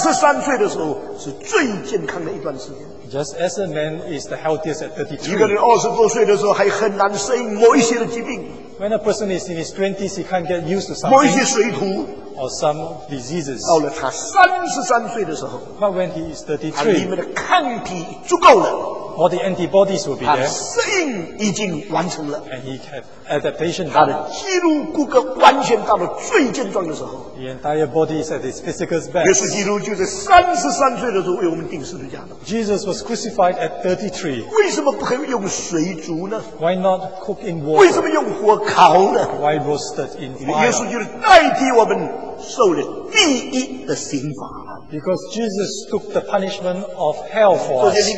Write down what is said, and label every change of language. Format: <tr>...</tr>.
<zh>所以人一生在33岁的时候是最健康的一段时间。</zh> <en>Just as a man is the healthiest at 33.</en> <zh>一个人二十多岁的时候还很难适应某一些的疾病。</zh> <en>When a person is in his 20s, he can't get used to something.</en> <zh>某一些水土,</zh> <en>or some diseases.</en> <zh>到了他33岁的时候,</zh> <en>but when he is 33,</en> <zh>他里面的抗体足够了。</zh> <en>All the antibodies will be there.</en> <zh>他适应已经完成了,</zh> <en>and he had adaptation.</en> <zh>他的肌肉骨骼完全到了最健壮的时候,</zh> <en>the entire body is at his physical best.</en> <zh>耶稣基督就在33岁的时候为我们钉十字架的。</zh> <en>Jesus was crucified at 33.</en> <zh>为什么不可以用水煮呢?</zh> <en>Why not cook in water?</en> <zh>为什么用火烤呢?</zh> <en>Why roasted in fire?</en> <zh>耶稣基督代替我们受了第一的刑罚。</zh> <en>Because Jesus took the punishment of hell for us.</en>